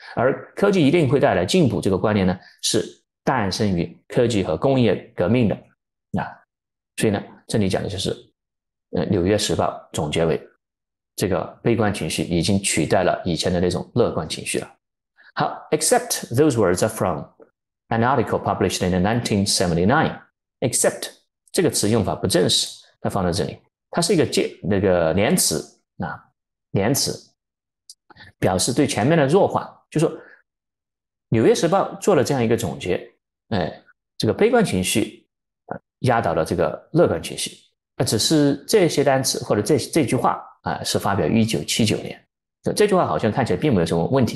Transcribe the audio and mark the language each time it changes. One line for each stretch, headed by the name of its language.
Chinese: 而科技一定会带来进步这个观念呢，是诞生于科技和工业革命的所以呢，这里讲的就是，《纽约时报》总结为，这个悲观情绪已经取代了以前的那种乐观情绪了。好，
English: except those words are from an article published in 1979。
Chinese: except 这个词用法不正式，它放在这里，它是一个介那个连词连词，表示对前面的弱化。就说《纽约时报》做了这样一个总结，这个悲观情绪压倒了这个乐观情绪，只是这些单词或者这句话是发表于1979年，这句话好像看起来并没有什么问题。